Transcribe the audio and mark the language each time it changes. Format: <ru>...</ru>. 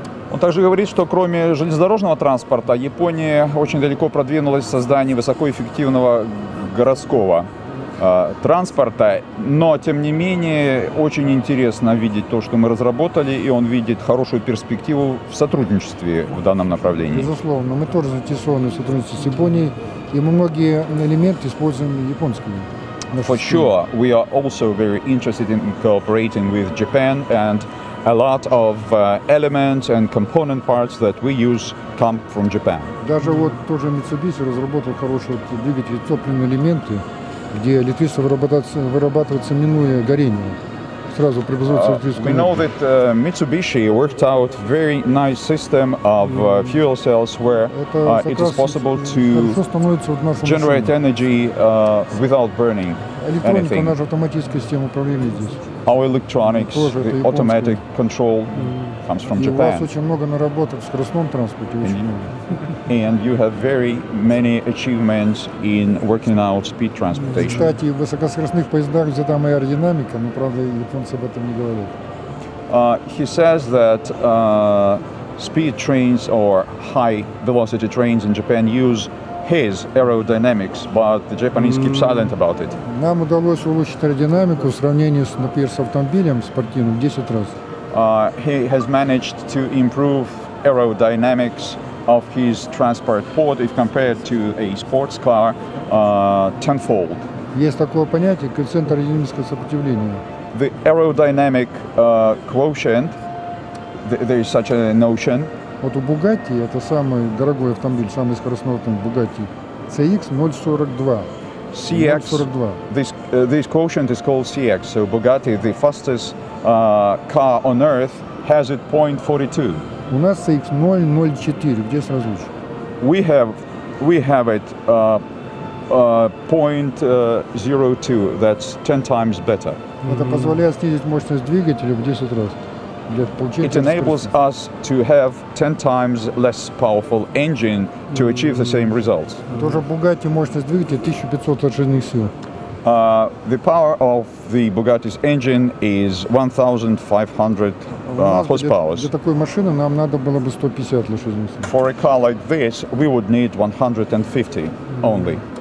<ru>Он также говорит, что кроме железнодорожного транспорта, Япония очень далеко продвинулась в создании высокоэффективного городского транспорта. Но, тем не менее, очень интересно видеть то, что мы разработали, и он видит хорошую перспективу в сотрудничестве в данном направлении. Безусловно, мы тоже заинтересованы в сотрудничестве с Японией, и мы многие элементы используем японскими.</ru> <en>For sure, we are also very interested in cooperating with Japan, and a lot of elements and component parts that we use come from Japan.</en> <ru>Даже вот тоже Mitsubishi разработал хороший двигатель, топливные элементы, где электричество вырабатывается минуя горение. Сразу приближается электрическую.</ru> <en>We know that Mitsubishi worked out very nice system of fuel cells where it is possible to generate energy without burning anything.</en> <ru>Наша автоматическая система управления здесь.</ru> <en>Our electronics, the automatic control comes from Japan.</en> <ru>У вас очень много наработок в скоростном транспорте, очень много.</ru> <en>And you have very many achievements in working out speed transportation.</en> <ru>Кстати, в высокоскоростных поездах взята моя аэродинамика, но, правда, японцы об этом не говорят.</ru> <en>He says that speed trains or high velocity trains in Japan use his aerodynamics, but the Japanese keep silent about it.</en> <ru>Нам удалось улучшить аэродинамику в сравнении с, например, с автомобилем спортивным 10 раз.</ru> <en>He has managed to improve aerodynamics of his transport pod if compared to a sports car tenfold.</en> <ru>Есть такое понятие, коэффициент аэродинамического сопротивления.</ru> <en>The aerodynamic quotient, there is such a notion.</en> <ru>Вот у Bugatti, это самый дорогой автомобиль, самый скоростной автомобиль Bugatti, CX-042.</ru> <en>CX, this quotient is called CX, so Bugatti, the fastest car on earth, has it 0.42.</en> <ru>У нас CX-004, где сразу же?</ru> <en>We have it 0.02, that's 10 times better.</en> <ru>Это позволяет снизить мощность двигателя в 10 раз.</ru> <en>It enables us to have 10 times less powerful engine to achieve the same results.</en> <ru>Тоже Bugatti мощность двигателя 1500 лошадиных сил.</ru> <en>The power of the Bugatti's engine is 1500 horsepower.</en> <ru>Для такой машины нам надо было бы 150 лошадиных сил.</ru> <en>For a car like this, we would need 150 only.</en>